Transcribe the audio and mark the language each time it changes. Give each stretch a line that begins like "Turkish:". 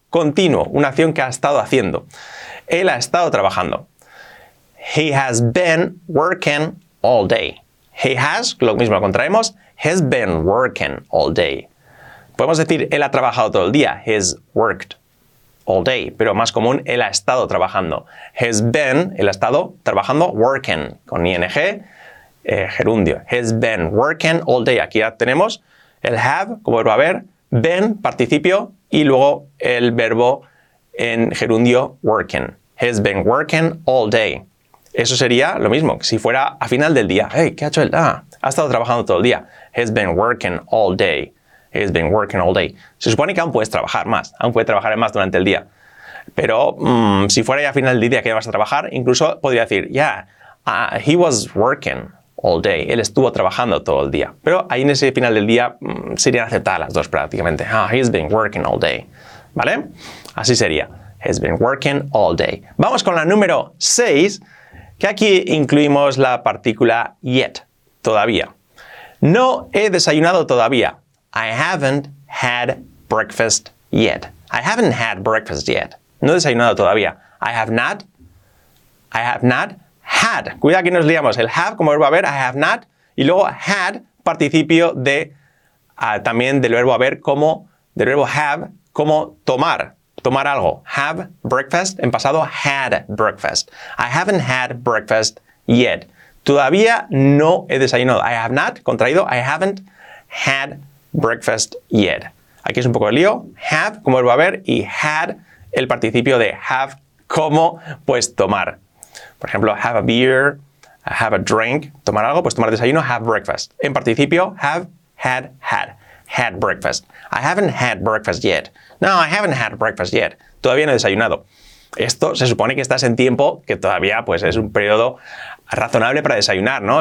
Spanish: continuo, una acción que ha estado haciendo. Él ha estado trabajando.
English: He has been working all day. He has,
Spanish: lo mismo contraemos,
English: has been working all day.
Spanish: Podemos decir, él ha trabajado todo el día,
English: has worked all day,
Spanish: pero más común, él ha estado trabajando. Has been, él ha estado trabajando, working, con ing, gerundio.
English: Has been working all day.
Spanish: Aquí ya tenemos el have, como verbo haber, been, participio, y luego el verbo en gerundio, working.
English: Has been working all day.
Spanish: Eso sería lo mismo, si fuera a final del día. Hey, ¿qué ha hecho él? Ah, ha estado trabajando todo el día.
English: Has been working all day. He's been working all day.
Spanish: Se supone que aún puedes trabajar más. Aún puedes trabajar más durante el día. Pero si fuera ya final del día que vas a trabajar, incluso podría decir,
English: yeah, he was working all day.
Spanish: Él estuvo trabajando todo el día. Pero ahí en ese final del día serían aceptadas las dos prácticamente.
English: Ah, he's been working all day.
Spanish: ¿Vale? Así sería.
English: He's been working all day.
Spanish: Vamos con la número 6, que aquí incluimos la partícula yet, todavía. No he desayunado todavía.
English: I haven't had breakfast yet. I haven't had breakfast yet.
Spanish: No he desayunado todavía.
English: I have not had.
Spanish: Cuidado que nos liamos. El have como verbo haber,
English: I have not.
Spanish: Y luego had, participio de también del verbo haber como, del verbo have como tomar. Tomar algo.
English: Have breakfast,
Spanish: en pasado
English: had breakfast. I haven't had breakfast yet.
Spanish: Todavía no he desayunado.
English: I have not,
Spanish: contraído,
English: I haven't had breakfast yet.
Spanish: Aquí es un poco de lío. Have, como verbo haber, y had, el participio de have, como, pues, tomar. Por ejemplo,
English: have a beer, have a drink,
Spanish: tomar algo, pues, tomar desayuno, have breakfast. En participio, have, had, had, had breakfast.
English: I haven't had breakfast yet. No, I haven't had breakfast yet.
Spanish: Todavía no he desayunado. Esto se supone que estás en tiempo, que todavía, pues, es un periodo razonable para desayunar, ¿no?